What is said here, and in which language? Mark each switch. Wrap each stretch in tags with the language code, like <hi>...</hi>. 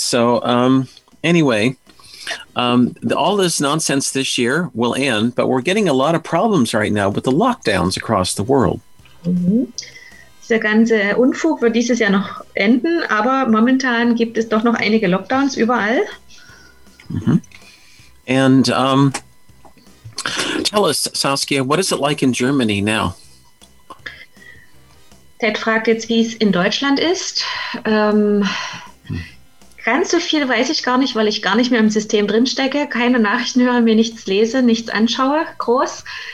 <en>So anyway, all this nonsense this year will end, but we're getting a lot of problems right now with the lockdowns across the world. Mm-hmm.</en> <de>Der ganze Unfug wird dieses Jahr noch enden, aber momentan gibt es doch noch einige Lockdowns überall. Mm-hmm.</de> <en>And tell us, Saskia, what is it like in Germany now?</en> <de>Ted fragt jetzt, wie es in Deutschland ist. Ganz so viel weiß ich gar nicht, weil ich gar nicht mehr im System drinstecke, keine Nachrichten höre, mir nichts lese, nichts anschaue, groß.</de>